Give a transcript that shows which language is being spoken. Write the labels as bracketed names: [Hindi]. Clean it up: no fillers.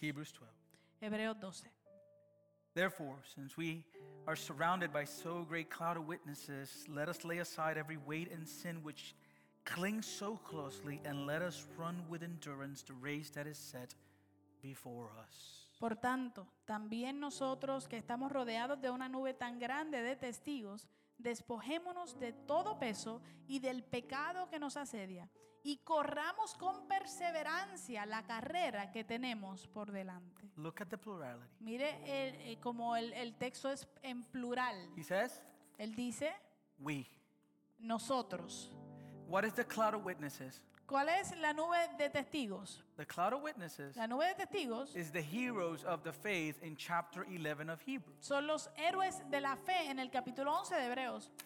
[English] Hebrews 12. [Spanish] Hebreos 12. [English] Therefore, since we are surrounded by so great cloud of witnesses, let us lay aside every weight and sin which clings so closely, and let us run with endurance the race that is set before us. [Spanish] Por tanto, también nosotros que estamos rodeados de una nube tan grande de testigos, despojémonos de todo peso y del pecado que nos asedia, y corramos con perseverancia la carrera que tenemos por delante. [English] Look at the plurality. [Spanish] Mire como el texto es en plural. [English] He says, [Spanish] él dice, [English] we. [Spanish] Nosotros. [English] What is the cloud of witnesses? [Spanish] ¿Cuál es la nube de testigos? [English] The cloud of witnesses. [Spanish] La nube de testigos. [English] Is the heroes of the faith in chapter 11 of Hebrews. [Spanish] Son los héroes de la fe en el capítulo 11 de Hebreos.